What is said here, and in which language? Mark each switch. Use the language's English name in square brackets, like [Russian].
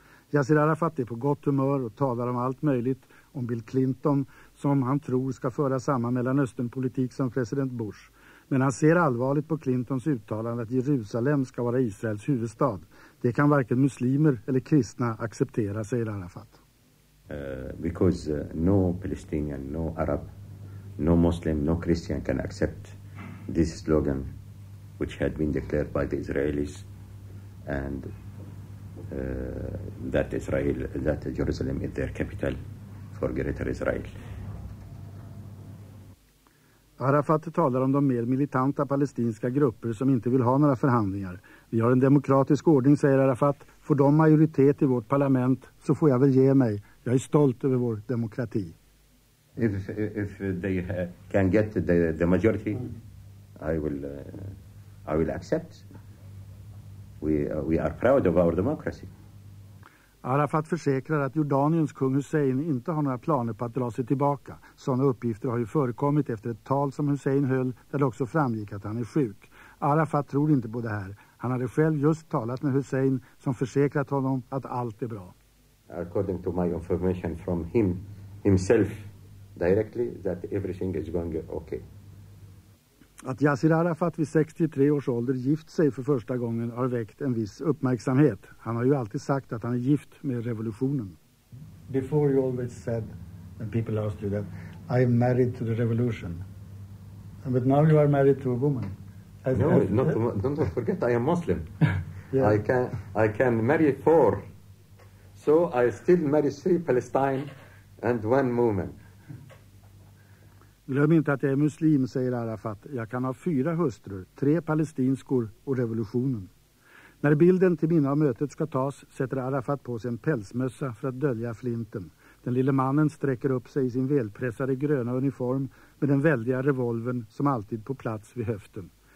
[Swedish] Yasir Arafat är på gott humör och talar om allt möjligt, om Bill Clinton som han tror ska föra samma Mellanösternpolitik som president Bush. Men han ser allvarligt på Clintons uttalande att Jerusalem ska vara Israels huvudstad. Det kan varken muslimer eller kristna acceptera, säger Arafat. [English] Because no Palestinian, no Arab, no Muslim, no Christian can accept this slogan which had been declared by the Israelis and that Israel, that Jerusalem is their capital for greater Israel. [Swedish] Arafat talar om de mer militanta palestinska grupper som inte vill ha några förhandlingar. Vi har en demokratisk ordning, säger Arafat. Får de majoritet i vårt parlament så får jag väl ge mig. Jag är stolt över vår demokrati. [English] If they can get the majority, I will accept. We are proud of our democracy. [Swedish] Arafat försäkrar att Jordaniens kung Hussein inte har några planer på att dra sig tillbaka. Sådana uppgifter har ju förekommit efter ett tal som Hussein höll där det också framgick att han är sjuk. Arafat tror inte på det här. Han hade själv just talat med Hussein som försäkrat honom att allt är bra. [English] According to my information from him himself directly that everything is going okay. [Swedish] Att Yasir Arafat vid 63 års ålder gift sig för första gången har väckt en viss uppmärksamhet. Han har ju alltid sagt att han är gift med revolutionen. [English] Before you always said, and people asked you that, I am married to the revolution. But now you are married to a woman. Don't forget I am Muslim. Yeah. I can marry four. So I still marry three Palestine and one woman. [Swedish] Glöm inte att jag är muslim, säger Arafat. Jag kan ha fyra hustrur, tre palestinskor och revolutionen. När bilden till mina av mötet ska tas sätter Arafat på sig en pälsmössa för att dölja flinten. Den lille mannen sträcker upp sig i sin välpressade gröna uniform med den väldiga revolven som alltid på plats vid höften.